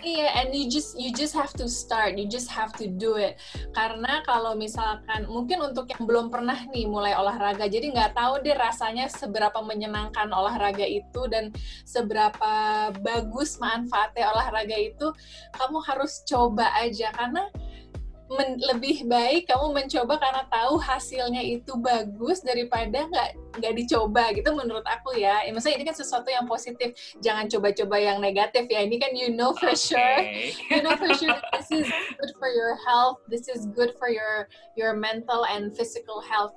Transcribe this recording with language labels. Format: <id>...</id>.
<en>Iya, yeah, and you just have to start, you just have to do it.</en> <id>Karena kalau misalkan mungkin untuk yang belum pernah nih mulai olahraga, jadi nggak tahu deh rasanya seberapa menyenangkan olahraga itu dan seberapa bagus manfaatnya olahraga itu, kamu harus coba aja, karena lebih baik kamu mencoba karena tahu hasilnya itu bagus daripada nggak dicoba gitu, menurut aku ya. Maksudnya ini kan sesuatu yang positif, jangan coba-coba yang negatif ya. Ini kan</id> <en>you know for sure this is good for your health, this is good for your mental and physical health.</en>